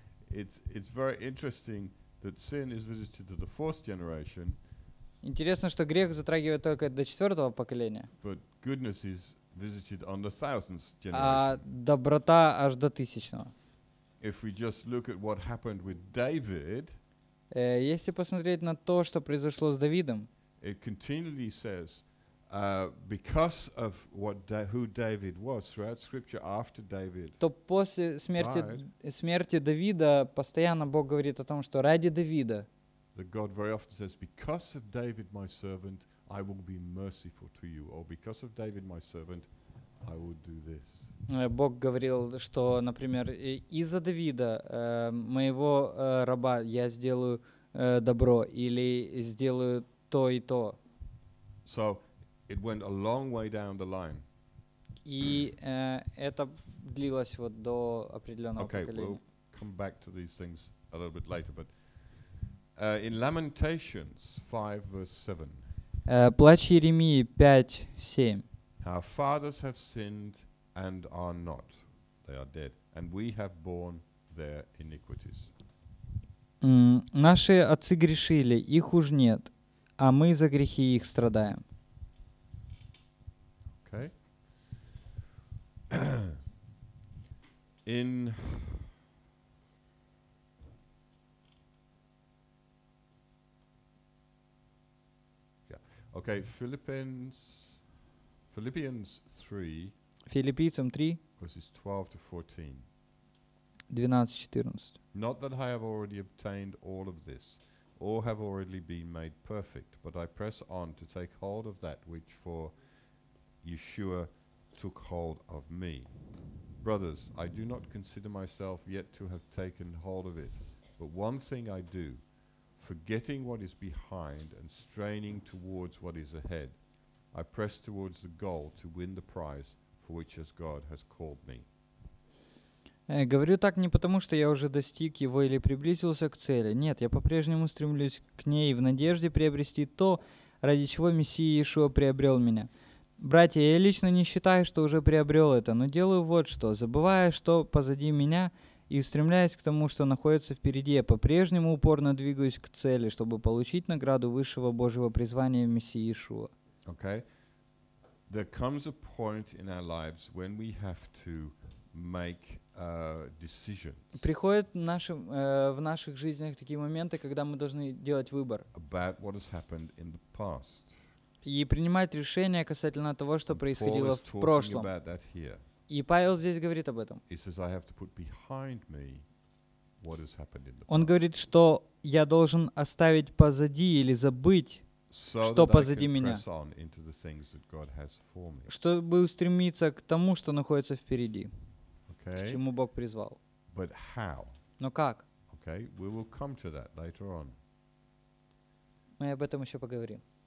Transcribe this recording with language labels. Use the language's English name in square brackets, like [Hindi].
[English] It's very interesting that sin is visited to the fourth generation. [Russian] Интересно, что грех затрагивает только до четвертого поколения. [English] But goodness is visited on the thousands generation. [Russian] А доброта аж до тысячного. [English] If we just look at what happened with David, [Russian] если посмотреть на то, что произошло с Давидом, [English] it continually says, because of what who David was throughout Scripture after David. [Russian] То после смерти Давида постоянно Бог говорит о том, что ради Давида. [English] That God very often says, because of David my servant, I will be merciful to you, or because of David my servant, I will do this. [Russian] Бог говорил, что, например, из-за Давида моего раба я сделаю добро или сделаю то и то. [English] So it went a long way down the line. [Russian] И это длилось вот до определенного [English] okay, [Russian] поколения. [English] Okay, we'll come back to these things a little bit later, but in Lamentations 5 verse 7. [Russian] Плач Иеремии 5:7. [English] Our fathers have sinned and are not. They are dead, and we have borne their iniquities. [Russian] Наши отцы грешили, их уж нет, а мы за грехи их страдаем. [English] Okay. In okay, Philippians 3. [Russian] Филиппийцам 3. [English] Verses 12 to 14. [Russian] 12-14. [English] Not that I have already obtained all of this, or have already been made perfect, but I press on to take hold of that which for Yeshua took hold of me. Brothers, I do not consider myself yet to have taken hold of it, but one thing I do, forgetting what is behind and straining towards what is ahead, I press towards the goal to win the prize for which as God has called me. [Russian] Говорю так не потому, что я уже достиг его или приблизился к цели. Нет, я по-прежнему стремлюсь к ней в надежде приобрести то, ради чего Мессия Иешуа приобрел меня. Братья, я лично не считаю, что уже приобрел это, но делаю вот что, забывая, что позади меня, и устремляясь к тому, что находится впереди, я по-прежнему упорно двигаюсь к цели, чтобы получить награду высшего Божьего призвания в Мессии Иешуа. [English] Okay. There comes a point in our lives when we have to make decisions. [Russian] Приходят в наших жизнях такие моменты, когда мы должны делать выбор. [English] About what has happened in the past. [Russian] И принимать решения касательно того, что [English] and [Russian] происходило [English] Paul [Russian] в прошлом. [English] About that here. [Russian] И Павел здесь говорит об этом. [English] He says, I have to put behind me what has happened in the past. [Russian] Он говорит, что я должен оставить позади или забыть, [English] so [Russian] что позади меня. [English] Press on into the things that God has for me. [Russian] Чтобы устремиться к тому, что находится впереди, [English] okay. [Russian] К чему Бог призвал. [English] But how? [Russian] Но как? [English] Okay. We will come to that later on. [Russian] Мы об этом еще поговорим.